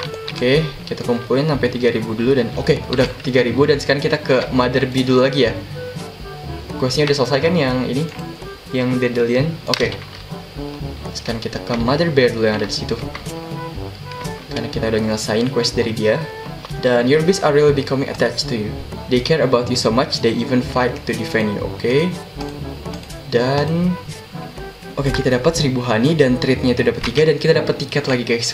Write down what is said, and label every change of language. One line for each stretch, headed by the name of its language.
Indonesian: Oke, kita kumpulin sampai 3000 dulu, dan oke, udah 3000, dan sekarang kita ke Mother Bee dulu lagi ya. Questnya udah selesai kan yang ini, yang Dandelion. Oke, sekarang kita ke Mother Bear dulu yang ada di situ, karena kita udah nyelesain quest dari dia. Dan
English: your beasts are really becoming attached to you. They care about you so much, they even fight to defend you.
Indonesian: Oke, dan oke, kita dapat 1000 honey, dan treatnya itu dapat 3, dan kita dapat tiket lagi guys.